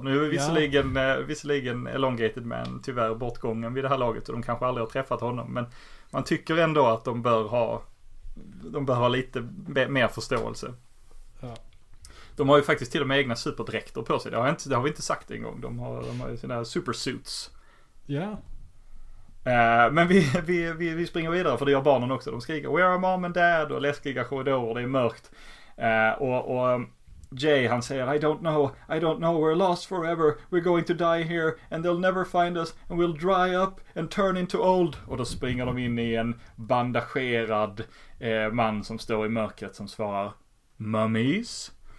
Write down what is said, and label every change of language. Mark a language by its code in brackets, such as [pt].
[sv] Nu är visserligen Elongated Man tyvärr bortgången vid det här laget, och de kanske aldrig har träffat honom, men man tycker ändå att de bör ha lite mer förståelse. Ja. De har ju faktiskt till och med egna superdräkter på sig. Det har vi inte sagt en gång. De har ju sina supersuits. Ja. Men vi springer vidare, för det gör barnen också. De skriker, [en] where are mom and dad? [sv] Och läskiga korridorer, det är mörkt. Och Jay, han säger, [en] I don't know, we're lost forever, we're going to die here, and they'll never find us, and we'll dry up and turn into old. [sv] Och då springer de in i en bandagerad man som står i mörkret som svarar, mummies?